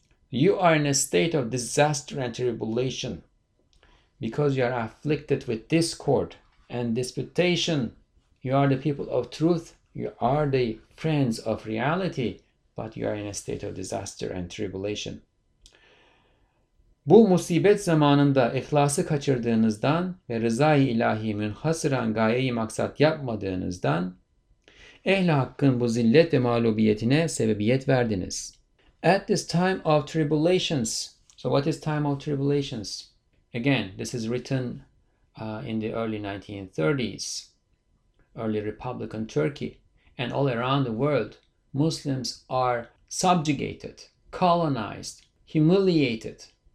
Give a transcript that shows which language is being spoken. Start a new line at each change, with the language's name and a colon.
English: You are in a state of disaster and tribulation because you are afflicted with discord and disputation. You are the people of truth. You are the friends of reality, but you are in a state of disaster and tribulation.
Turkish: Bu musibet zamanında ihlası kaçırdığınızdan ve rızayı ilahi münhasıran gayeyi maksat yapmadığınızdan ehl-i hakkın bu zillet ve mağlubiyetine sebebiyet verdiniz.
English: At this time of tribulations, so what is time of tribulations? Again, this is written in the early 1930s, early Republican Turkey, and all around the world, Muslims are subjugated, colonized, humiliated.